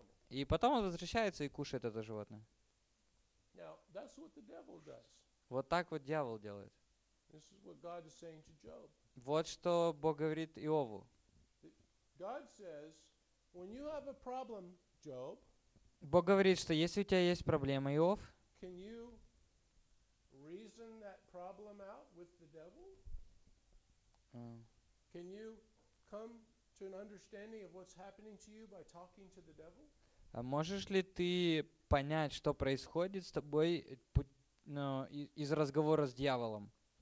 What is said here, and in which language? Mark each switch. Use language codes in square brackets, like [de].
[ru] И потом он возвращается и кушает это животное. [en] Now, that's what the devil does. [ru] Вот так вот дьявол делает. [en] This is what God is saying to Job. [ru] Вот что Бог говорит Иову. [en] God says, when you have a problem, Job, [ru] Бог говорит, что если у тебя есть проблема, Иов, [en] can you reason that problem out with the devil? Can you come to an understanding of what's happening to you by talking to the devil? [ru] А можешь ли ты понять, что происходит с тобой, ну, из разговора с дьяволом?